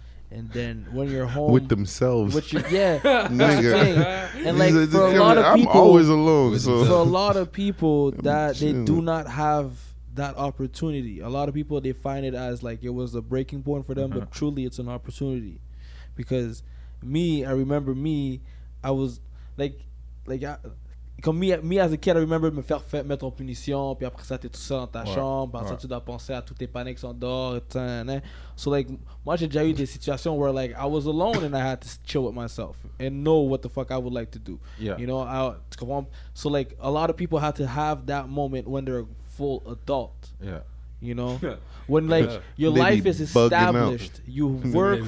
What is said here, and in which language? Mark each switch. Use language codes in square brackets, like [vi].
[en] And then when you're home with themselves, nigga. And like, for a lot of people that they do not have that opportunity. A lot of people, they find it as like it was a breaking point for them, but truly it's an opportunity. Because me as a kid, I remember me [fr] faire mettre en punition, puis après ça t'es tout seul dans ta chambre, après ça tu dois penser à tous tes panneaux qui sont dehors, et tout. [en] So like, [fr] moi j'ai déjà eu des situations [en] where like I was alone and I had to chill with myself and know what the fuck I would like to do. Yeah. You know, so like a lot of people have to have that moment when they're a full adult. Yeah. You know, when like your life is established, you work.